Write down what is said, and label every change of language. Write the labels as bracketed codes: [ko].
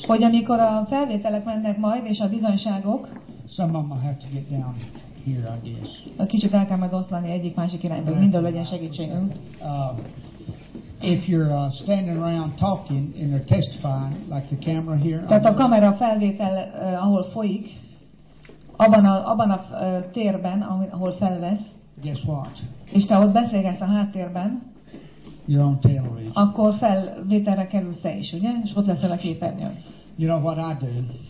[hu] hogy amikor a felvételek mennek majd, és a bizonyságok, [en] some of them will have to get down here, I guess. [hu] A kicsit el kell megoszlani egyik másik irányba, mindenhol legyen segítségünk. [en] If you're standing around talking and they're testifying, like the camera here. [hu] Tehát a kamera felvétel, ahol folyik, abban a térben, ahol felvesz. [en] Guess what? [hu] És te ott beszélgetsz a háttérben. [en] You're on television. [hu] Akkor felvételre kerülsz te is, ugye? És ott leszel a képernyőn. [en] You know what I do?